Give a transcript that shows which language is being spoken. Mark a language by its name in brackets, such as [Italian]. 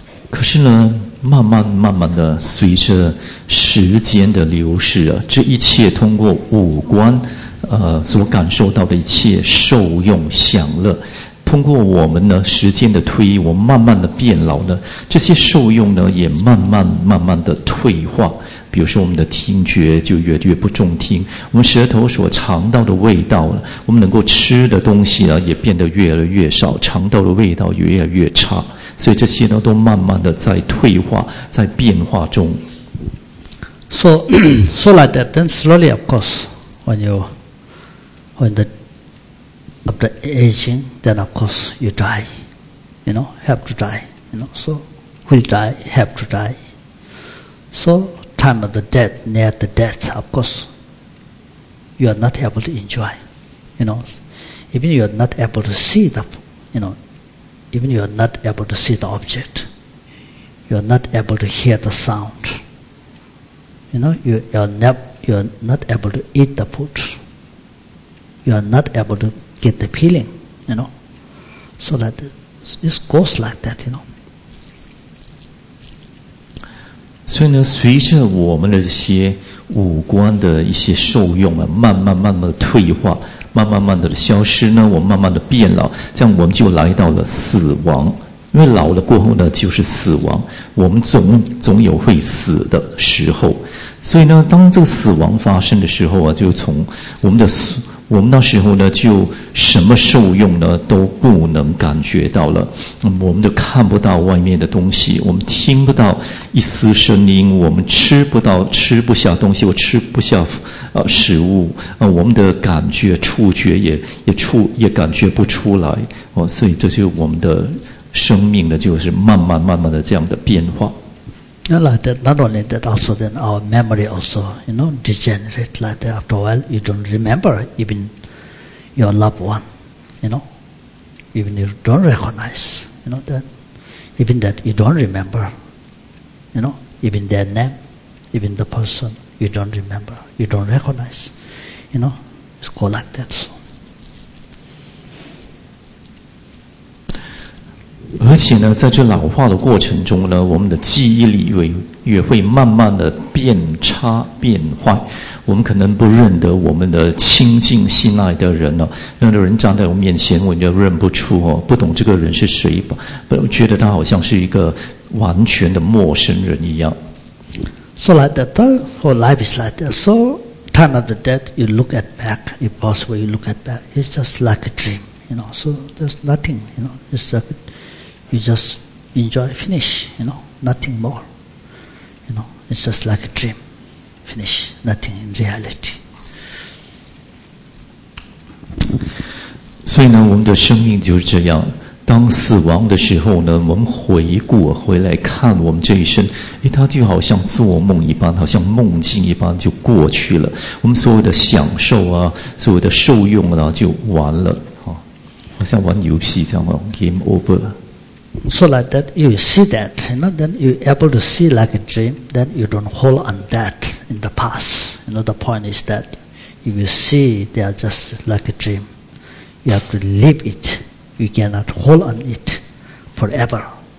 [Chinese] 可是呢，慢慢慢慢的，随着时间的流逝啊，这一切通过五官，所感受到的一切受用享乐，通过我们呢时间的推移，我慢慢的变老呢，这些受用呢也慢慢慢慢的退化。比如说我们的听觉就越来越不中听，我们舌头所尝到的味道，我们能够吃的东西呢也变得越来越少，尝到的味道越来越差，所以这些呢都慢慢的在退化，在变化中。 [English] So like that, then slowly of course, after aging, then of course you die, you know, have to die, you know, so we'll die, have to die. So time of the death, near the death, of course, you are not able to enjoy, you know, even you are not able to see the, you know, even you are not able to see the object, you are not able to hear the sound, you know, you are not able to eat the food, you are not able to get the feeling, you know. So that it goes like that, you know. [Chinese] 所以呢，随着我们的这些五官的一些受用啊，慢慢慢慢的退化，慢慢慢的消失呢，我们慢慢的变老，这样我们就来到了死亡。因为老了过后呢，就是死亡，我们总有会死的时候。所以呢，当这个死亡发生的时候啊，就从我们的我们那时候呢，就什么受用呢都不能感觉到了，我们就看不到外面的东西，我们听不到一丝声音，我们吃不到吃不下东西，我吃不下食物，我们的感觉触觉也感觉不出来，所以这就是我们的生命的就是慢慢慢慢的这样的变化。 [English] Like that, not only that, also then our memory also, you know, degenerate like that. After a while, you don't remember even your loved one, you know, even you don't recognize, you know, that, even that you don't remember, you know, even their name, even the person, you don't remember, you don't recognize, you know, it's go like that. So. [Chinese] 而且呢，在这老化的过程中呢，我们的记忆力也会慢慢的变差变坏，我们可能不认得我们的亲近信赖的人了、那个人站在我面前我就认不出、不懂这个人是谁，觉得他好像是一个完全的陌生人一样。 [English] So like that, the whole life is like that. So time of the death, you look at back, if possible you look at back, it's just like a dream, you know, so there's nothing, you know, it's a bitYou just enjoy, finish, you know, nothing more. You know, it's just like a dream, finish, nothing in reality. [Chinese] 所以呢，我们的生命就是这样。当死亡的时候呢，我们回顾回来看我们这一生，它就好像做梦一般，好像梦境一般就过去了。我们所有的享受啊，所有的受用啊，就完了啊，好像玩游戏这样啊 ， [English] game over。 So like that, you see that, you know, then you're able to see like a dream, then you don't hold on that in the past. You know, the point is that if you see, they are just like a dream. You have to live it. You cannot hold on it forever.